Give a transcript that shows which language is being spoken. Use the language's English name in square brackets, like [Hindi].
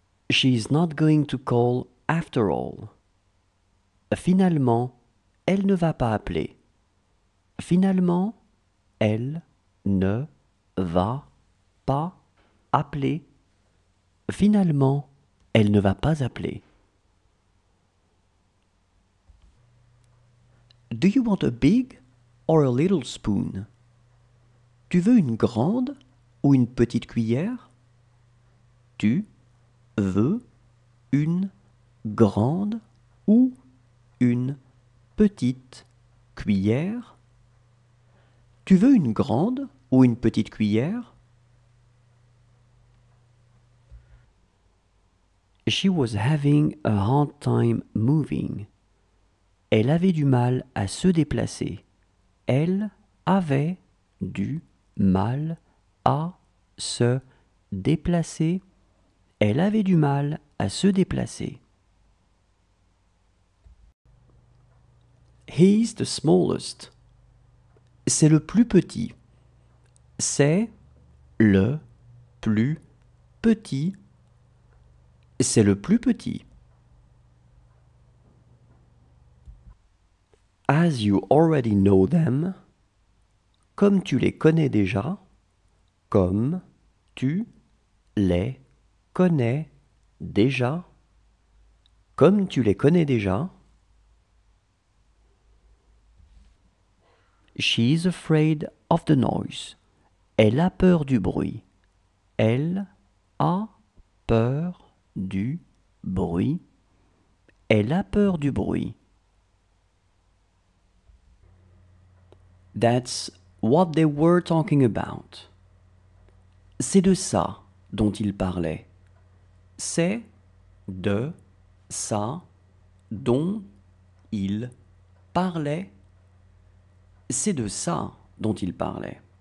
[English] She is not going to call after all. [French] Finalement, elle ne va pas appeler. Finalement, elle ne va pas appeler. Finalement, elle ne va pas appeler. [English] Do you want a big or a little spoon? [French] Tu veux une grande ou une petite cuillère? Tu veux une grande ou une petite cuillère? Tu veux une grande ou une petite cuillère? [English] She was having a hard time moving. [French] Elle avait du mal à se déplacer. Elle avait du mal à se déplacer. Elle avait du mal à se déplacer. [English] He is the smallest. [French] C'est le plus petit. C'est le plus petit. C'est le plus petit. [English] As you already know them, [French] comme tu les connais déjà, comme tu les connais déjà, comme tu les connais déjà. [English] She is afraid of the noise. [French] Elle a peur du bruit. Elle a peur du bruit. Elle a peur du bruit. [English] That's what they were talking about. [French] C'est de ça dont ils parlaient. C'est de ça dont ils parlaient. C'est de ça dont il parlait.